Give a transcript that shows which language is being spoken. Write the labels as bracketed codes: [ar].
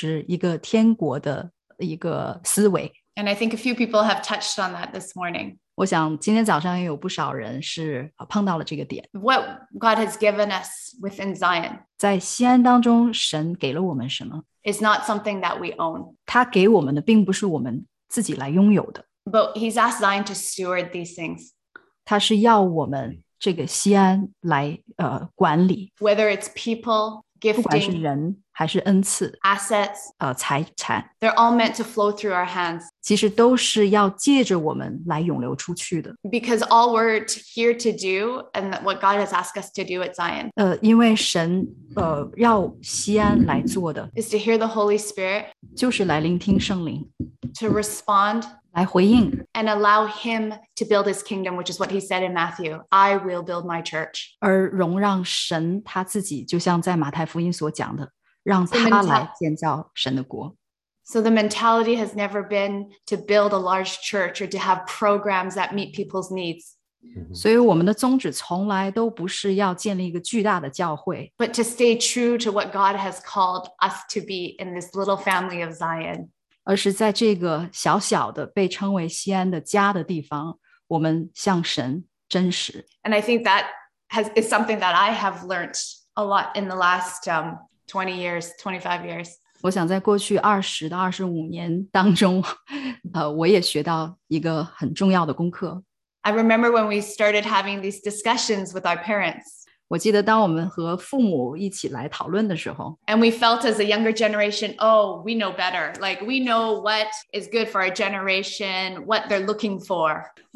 [zh] 我想刚才的分享好像也很自然带领我们到了下一个点，就是一个天国的一个思维。 [en] And I think a few people have touched on that this morning. [zh] 我想今天早上也有不少人是碰到了这个点。 [en] What God has given us within Zion. [zh] 在西安当中神给了我们什么? [en] It's not something that we own. [zh] 他给我们的并不是我们自己来拥有的。 [en] But he's asked Zion to steward these things. [zh] 他是要我们这个西安来管理。 [en] Whether it's people, gifting, [zh] 不管是人还是恩赐, [en] assets, [zh] 财产, [en] they're all meant to flow through our hands. [zh] 其实都是要借着我们来涌流出去的。 [en] Because all we're here to do and what God has asked us to do at Zion, [zh] 因为神, 要西安来做的, [en] is to hear the Holy Spirit, [zh] 就是来聆听圣灵, [en] to respond, [zh] 来回应, [en] and allow him to build his kingdom, which is what he said in Matthew, I will build my church. [zh] 而容让神他自己就像在马太福音所讲的, 让他来建造神的国。 [en] So the mentality has never been to build a large church or to have programs that meet people's needs. [zh] 所以我们的宗旨从来都不是要建立一个巨大的教会, [en] but to stay true to what God has called us to be in this little family of Zion. [zh] 而是在这个小小的被称为西安的家的地方，我们向神真实。 [en] And I think that is something that I have learned a lot in the last 20 years, 25 years. [zh] 我想在过去20到25年当中, 我也学到一个很重要的功课。 [en] I remember when we started having these discussions with our parents. [zh] 我记得当我们和父母一起来讨论的时候, [en] and we felt as a younger generation, oh, we know better. Like we know what is good for our generation, what they're looking for.